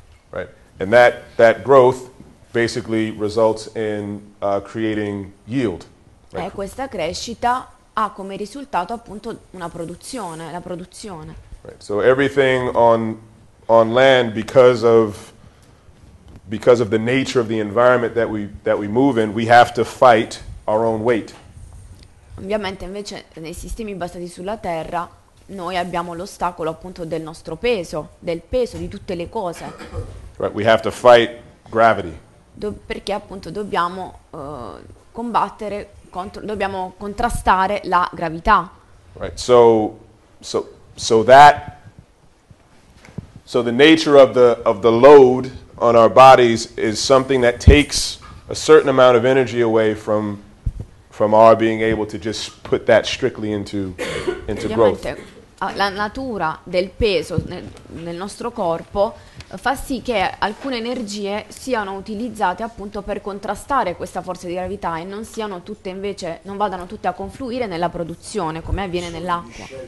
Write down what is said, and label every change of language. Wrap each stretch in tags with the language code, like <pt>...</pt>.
<en>Right. And that growth basically results in creating yield.</en> <it>Right. E questa crescita ha come risultato appunto una produzione, la produzione.</it> <en>Right. So everything on land because of the nature of the environment that we move in, we have to fight our own weight.</en> <it>Ovviamente invece nei sistemi basati sulla terra noi abbiamo l'ostacolo appunto del nostro peso, del peso di tutte le cose.</it> <en>Right, we have to fight gravity.</en> <it>Perché appunto dobbiamo contrastare la gravità.</it> <en>Right. So the nature of the load on our bodies is something that takes a certain amount of energy away from our being able to just put that strictly into growth.</en> <it>La natura del peso nel nostro corpo fa sì che alcune energie siano utilizzate appunto per contrastare questa forza di gravità e non siano tutte invece, non vadano tutte a confluire nella produzione come avviene nell'acqua.</it>